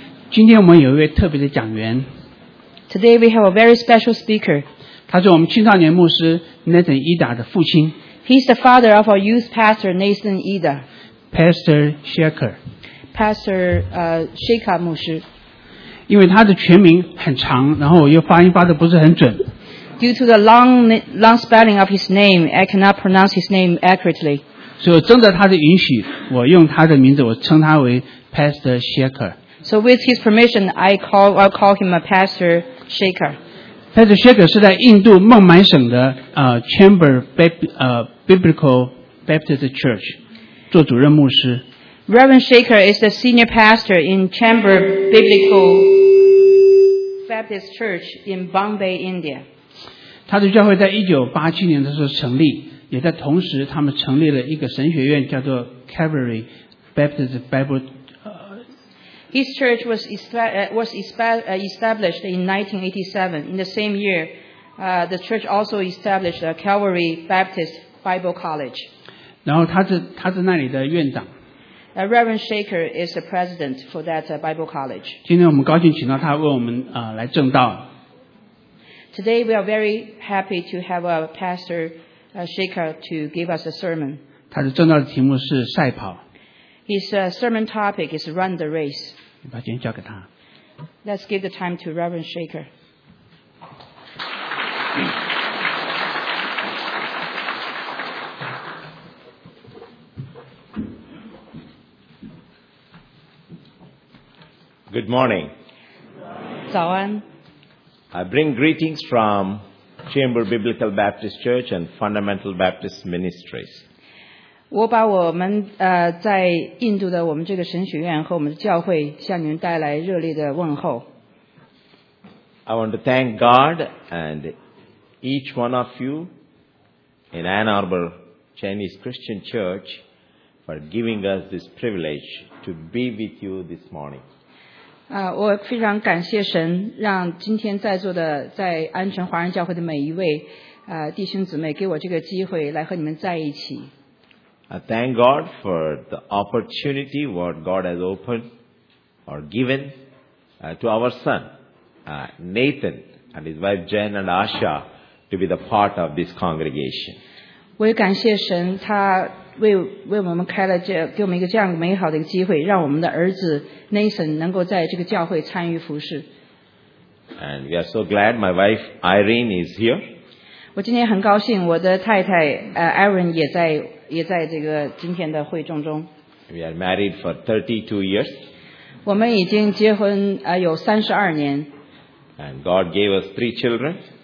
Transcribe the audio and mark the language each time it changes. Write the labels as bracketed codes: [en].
[zh] 今天我们有一位特别的讲员。 [en] Today we have a very special speaker. [zh] 他是我们青少年牧师 Nathan Eda 的父亲。 [en] He's the father of our youth pastor Nathan Eda. Pastor Shaker. [zh] Pastor Shaker 牧师。因为他的全名很长，然后我又发音发的不是很准。 [en] Due to the long spelling of his name, I cannot pronounce his name accurately. [zh] 所以征得他的允许，我用他的名字，我称他为 Pastor Shaker。 [en] So with his permission, I'll call him a Pastor Shaker. [zh] Pastor Shaker 是在印度孟买省的Chamber Biblical Baptist Church 做主任牧师。 [en] Reverend Shaker is the senior pastor in Chamber Biblical Baptist Church in Bombay, India. [zh] 他的教会在1987年的时候成立。也在同时他们成立了一个神学院叫做 Calvary Baptist Bible [en] His church was established in 1987. In the same year, the church also established a Calvary Baptist Bible College. [zh] 然后他是那里的院长。 [en] Reverend Shaker is the president for that Bible College. [zh] 今天我们高兴请到他为我们来证道。 [en] Today we are very happy to have a pastor Shaker to give us a sermon. [zh] 他的正道的题目是赛跑。 [en] His sermon topic is run the race. [zh] 你把时间交给他。 [en] Let's give the time to Reverend Shaker. Good morning. [zh] 早安。 [en] I bring greetings from Chamber Biblical Baptist Church and Fundamental Baptist Ministries. [zh] 我把我们在印度的我们这个神学院和我们的教会向您带来热烈的问候。 [en] I want to thank God and each one of you in Ann Arbor Chinese Christian Church for giving us this privilege to be with you this morning. [zh] 我非常感谢神让今天在座的在安城华人教会的每一位弟兄姊妹给我这个机会来和你们在一起。 [en] I thank God for the opportunity what God has opened or given to our son, Nathan and his wife Jen and Asha to be the part of this congregation. [zh] 我也感谢神他为我们开了这给我们一个这样美好的一个机会让我们的儿子 Nathan 能够在这个教会参与服事。 [en] And we are so glad my wife Irene is here. [zh] 我今天很高兴我的太太Irene 也在这个今天的会众中。 [en] We are married for 32 years. [zh] 我们已经结婚有32年。 [en] And God gave us 3 children.